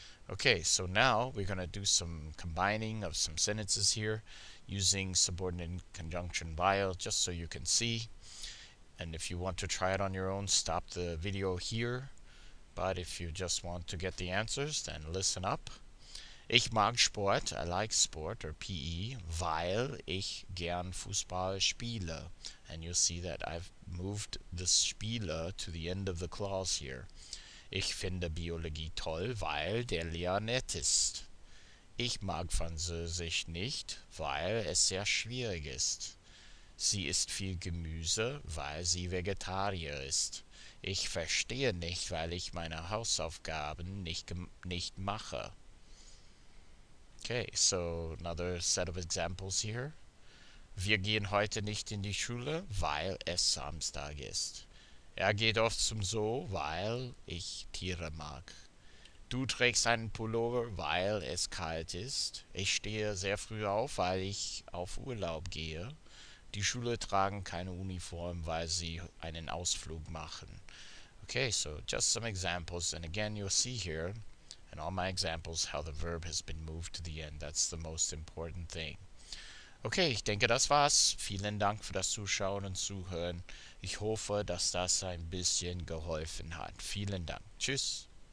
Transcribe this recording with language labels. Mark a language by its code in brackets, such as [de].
[en] Okay, so now we're going to do some combining of some sentences here using subordinate conjunction weil, just so you can see. And if you want to try it on your own, stop the video here. But if you just want to get the answers, then listen up. [de] Ich mag Sport, [en] I like sport, or PE, [de] weil ich gern Fußball spiele. [en] And you'll see that I've moved this spiele to the end of the clause here. [de] Ich finde Biologie toll, weil der Lehrer nett ist. Ich mag Französisch nicht, weil es sehr schwierig ist. Sie isst viel Gemüse, weil sie Vegetarier ist. Ich verstehe nicht, weil ich meine Hausaufgaben nicht mache. [en] Okay, so another set of examples here. [de] Wir gehen heute nicht in die Schule, weil es Samstag ist. Er geht oft zum Zoo, weil ich Tiere mag. Du trägst einen Pullover, weil es kalt ist. Ich stehe sehr früh auf, weil ich auf Urlaub gehe. Die Schüler tragen keine Uniform, weil sie einen Ausflug machen. [en] Okay, so just some examples. And again, you'll see here, in all my examples, how the verb has been moved to the end. That's the most important thing. Okay, [de] ich denke, das war's. Vielen Dank für das Zuschauen und Zuhören. Ich hoffe, dass das ein bisschen geholfen hat. Vielen Dank. Tschüss.